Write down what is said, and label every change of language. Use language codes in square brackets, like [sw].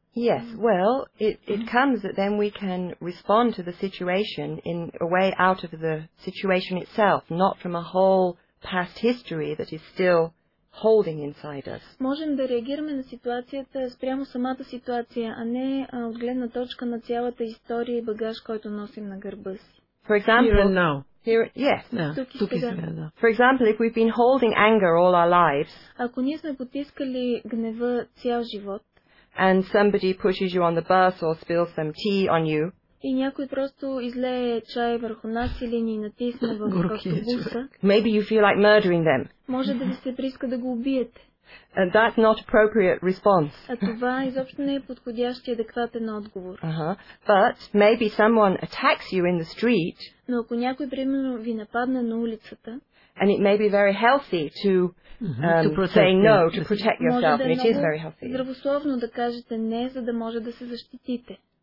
[en] Yes, well, it comes that then we can respond to the situation in a way out of the situation itself, not from a whole past history that is still holding inside us. [bg] Можем да реагираме на ситуацията спрямо самата ситуация, а не от гледна точка на цялата история и багаж, който носим на гърба си. [en] For example, here and now. For example, if we've been holding anger all our lives, [bg] ако ние сме потискали гнева цял живот, [en] and somebody pushes you on the bus or spills some tea on you, [bg] и някой просто излее чай върху нас или ни натисне в автобуса. [en] Maybe you feel like murdering them. [bg] Може да ви се приска да го убиете. [en] And that's not appropriate response. [bg] А това изобщо не е подходящ и адекватен отговор. [en] But maybe someone attacks you in the street. [bg] Но ако някой примерно ви нападне на улицата, [en] and it may be very healthy to, say no, to protect yourself. [bg] Може да [en] it is very healthy. [bg] Здравословно да кажете не, за да може да се защитите.